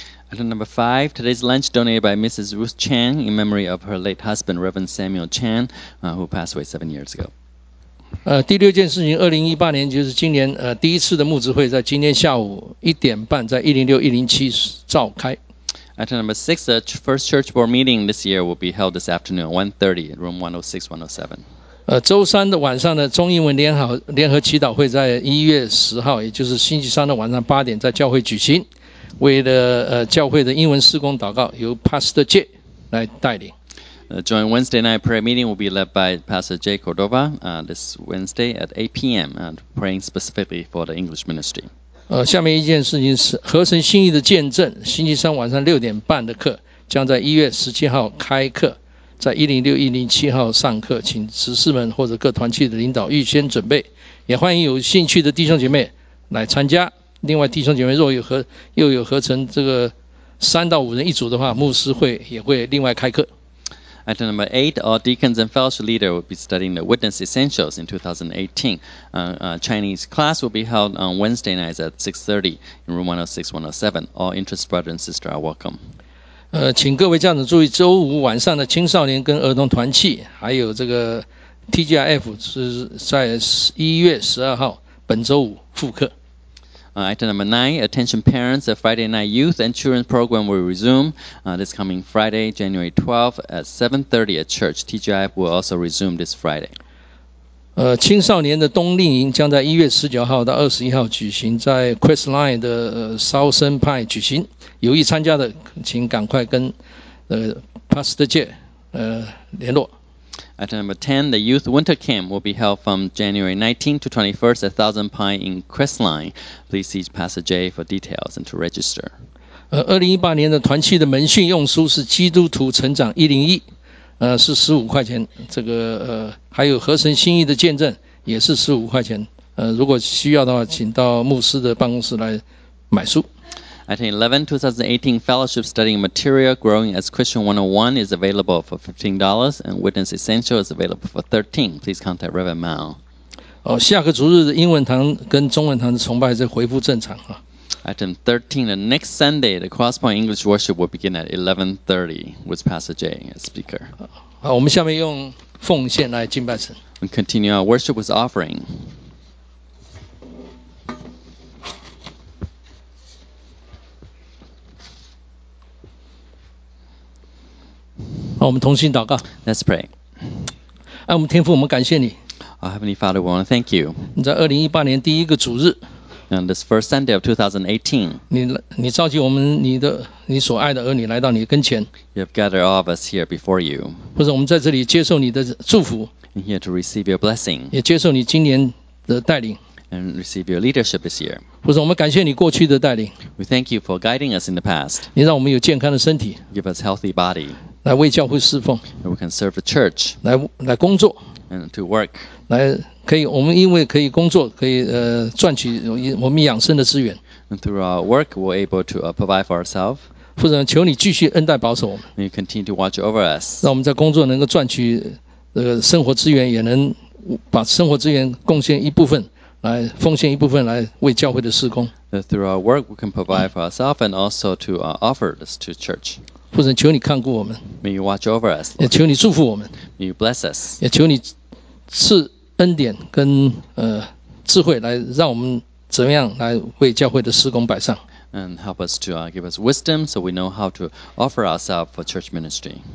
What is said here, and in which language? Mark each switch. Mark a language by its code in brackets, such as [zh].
[en] Item number five, today's lunch donated by Mrs. Ruth Chan in memory of her late husband, Reverend Samuel Chan, who passed away 7 years ago. [zh] 第六件事情，2018年就是今年第一次的牧职会在今天下午1:30在106107召开。 [en] Item number six, the first church board meeting this year will be held this afternoon at 1:30 in room 106-107. [zh] 周三的晚上的中英文联合祈祷会在1月10号，也就是星期三的晚上8点在教会举行。为了教会的英文施工祷告，由 Pastor J 来带领。 [en] Joint Wednesday night prayer meeting will be led by Pastor J Cordova this Wednesday at 8 p.m. and praying specifically for the English ministry. [zh] 下面一件事情是合神心意的见证，星期三晚上6:30的课将在1月17号开课，在106107号上课，请执事们或者各团契的领导预先准备，也欢迎有兴趣的弟兄姐妹来参加。另外弟兄姐妹若有又有合成这个3到5人一组的话，牧师会也会另外开课。 [en] Item number eight, all deacons and fellowship leaders will be studying the Witness Essentials in 2018. Chinese class will be held on Wednesday nights at 6:30 in room 106-107. All interested brothers and sisters are welcome. [zh] 请各位家长注意，周五晚上的青少年跟儿童团契，还有这个 TGIF 是在1月12号本周五复课。 [en] Item number nine, attention parents, the Friday night youth and children's program will resume this coming Friday, January 12th at 7:30 at church. TGI will also resume this Friday. [zh] 青少年的冬令营将在1月19号到21号举行，在 Questline 的Southern Pine举行。有意参加的，请赶快跟Pastor J联络。 [en] Item number 10, the Youth Winter Camp will be held from January 19th to 21st at Thousand Pine in Crestline. Please see Pastor J for details and to register. [zh] 2018年的团契的门训用书是基督徒成长101，是15块钱。这个还有合神心意的见证也是15块钱。如果需要的话，请到牧师的办公室来买书。 [en] Item 11, 2018 Fellowship Studying Material Growing as Christian 101 is available for $15 and Witness Essential is available for $13. Please contact Reverend Mao. [zh] 下个主日的英文堂跟中文堂的崇拜再恢复正常啊。 [en] Item 13, the next Sunday, the Crosspoint English Worship will begin at 11:30 with Pastor Jay as speaker. [zh] 好，我们下面用奉献来敬拜神。 [en] And continue our worship with offering. Let's pray. [zh] 爱我们天父，我们感谢你。 [en] Our Heavenly Father, we want to thank you. [zh] 你在2018年第一个主日。 [en] On this first Sunday of 2018, [zh] 你召集我们你所爱的儿女来到你跟前。 [en] You have gathered all of us here before you. [zh] 或者我们在这里接受你的祝福。 [en] And here to receive your blessing. [zh] 也接受你今年的带领。 [en] And receive your leadership this year. [zh] 或者我们感谢你过去的带领。 [en] We thank you for guiding us in the past. [zh] 你让我们有健康的身体。 [en] Give us healthy body. [zh] 来为教会侍奉。 [en] And we can serve the church. [zh] 来工作。 [en] And to work. [zh] 来可以，我们因为可以工作，可以赚取我们养生的资源。 [en] And through our work, we're able to provide for ourselves. [zh] 父神，求你继续恩待保守我们。 [en] And you continue to watch over us. [zh] 让我们在工作能够赚取生活资源，也能把生活资源贡献一部分，来奉献一部分来为教会的事工。 [en] And through our work, we can provide for ourselves and also to offer this to church. [zh] 父神，求你看顾我们。 [en] May you watch over us.、Lord. [zh] 也求你祝福我们。 [en] May you bless us. [zh] 也求你赐恩典跟智慧来让我们怎么样来为教会的施工摆上。 [en] And help us to give us wisdom so we know how to offer ourselves for church ministry.